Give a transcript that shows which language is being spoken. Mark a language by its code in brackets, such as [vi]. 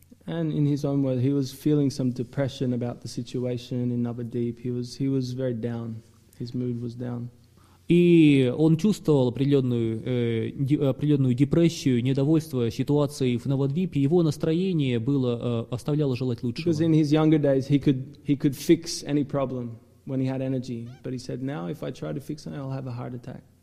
[en] And in his own words, he was feeling some depression about the situation in Navadvip. He was very down. His mood was down. [ru] И он чувствовал определенную депрессию, недовольство ситуацией в Навадвипе. Его настроение было оставляло желать лучшего. [en] Because in his younger days he could fix any problem when he had energy, but he said, now if I try to fix it, I'll have a heart attack.